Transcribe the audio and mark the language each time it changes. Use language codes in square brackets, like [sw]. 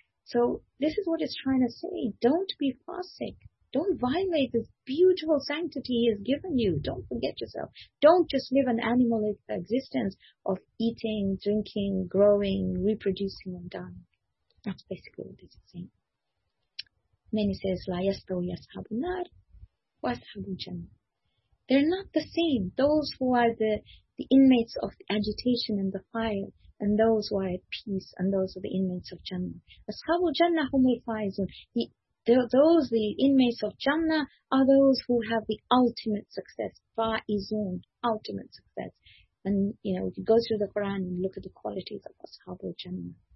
[en] So this is what it's trying to say. Don't be fasik. Don't violate this beautiful sanctity He has given you. Don't forget yourself. Don't just live an animal existence of eating, drinking, growing, reproducing and dying. That's basically what it's saying. Then he says, [ar] لا يستوي أصحاب النار وأصحاب الجنة. [en] They're not the same. Those who are the inmates of the agitation and the fire, and those who are at peace, and those are the inmates of Jannah. [ar] Ashabul Jannah humul faizun. [en] The inmates of Jannah are those who have the ultimate success. Faizun, ultimate success. And, you know, we can go through the Quran and look at the qualities of Ashabul Jannah.